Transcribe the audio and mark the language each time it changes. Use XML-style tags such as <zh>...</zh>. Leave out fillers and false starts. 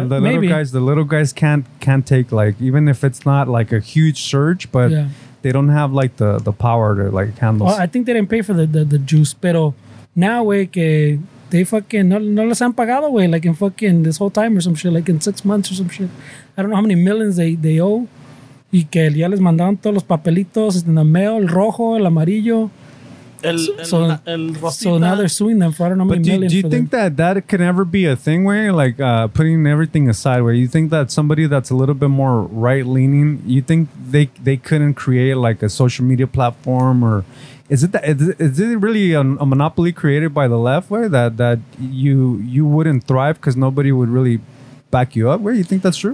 <en>The little guys can't take, like, even if it's not like a huge surge, but yeah. They don't have like the power to like handle. Well, I think they didn't pay for the juice, pero now we que. They fucking</en> <es>no les han pagado,</es> <en>way, like in fucking this whole time or some shit, like in 6 months or some shit. I don't know how many millions they owe.</en> <es>Y que ya les mandaron todos los papelitos en el mail, el rojo, el amarillo.</es> <en>So now they're suing them for I don't know how many millions. Do you think that could ever be a thing where, like, putting everything aside, where you think that somebody that's a little bit more right leaning, you think they couldn't create like a social media platform or. Is it really a monopoly created by the left, where that you wouldn't thrive because nobody would really back you up? Where you think that's true?</en>